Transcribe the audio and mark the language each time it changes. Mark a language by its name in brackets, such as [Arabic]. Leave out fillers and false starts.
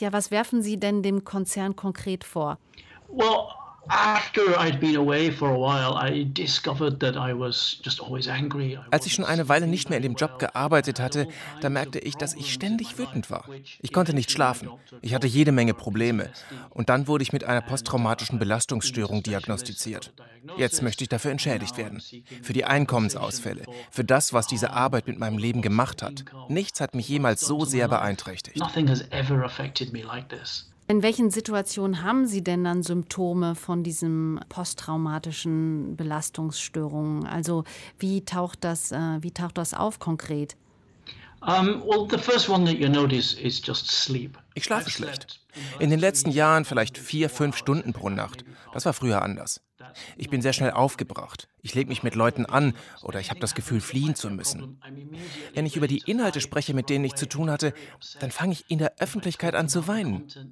[German] Ja, was werfen Sie denn dem Konzern konkret vor? [English] Well, after I'd been away for a while, I discovered that I was just always angry. [German] Als ich schon eine Weile nicht mehr in dem Job gearbeitet hatte, da merkte ich, dass ich ständig wütend war. Ich konnte nicht schlafen. Ich hatte jede Menge Probleme. Und dann wurde ich mit einer posttraumatischen Belastungsstörung diagnostiziert. Jetzt möchte ich dafür entschädigt werden. Für die Einkommensausfälle. Für das, was diese Arbeit mit meinem Leben gemacht hat. Nichts hat mich jemals so sehr beeinträchtigt. [English] Nothing has ever affected me like this. [German] In welchen Situationen haben Sie denn dann Symptome von diesem posttraumatischen Belastungsstörungen? Also wie taucht das auf konkret? [English] The first one that you notice is just sleep. [German] Ich schlafe schlecht. In den letzten Jahren vielleicht 4-5 Stunden pro Nacht. Das war früher anders. Ich bin sehr schnell aufgebracht. Ich lege mich mit Leuten an oder ich habe das Gefühl, fliehen zu müssen. Wenn ich über die Inhalte spreche, mit denen ich zu tun hatte, dann fange ich in der Öffentlichkeit an zu weinen.